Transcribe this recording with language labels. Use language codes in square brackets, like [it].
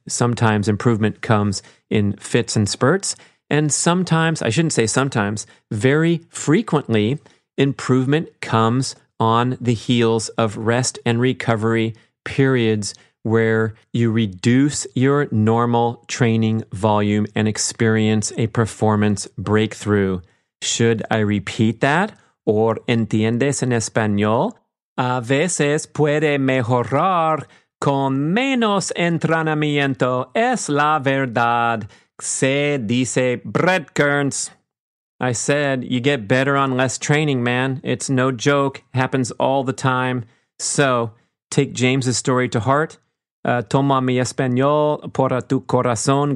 [en] Sometimes improvement comes in fits and spurts, and sometimes, I shouldn't say sometimes, very frequently, improvement comes on the heels of rest and recovery periods where you reduce your normal training volume and experience a performance breakthrough. Should I repeat that? Or [es] entiendes en español? A veces puede mejorar con menos entrenamiento. Es la verdad. Se dice breadcrumbs. [en] I said, you get better on less training, man. It's no joke. Happens all the time. So, take James's story to heart. [es] Toma mi español para tu corazón.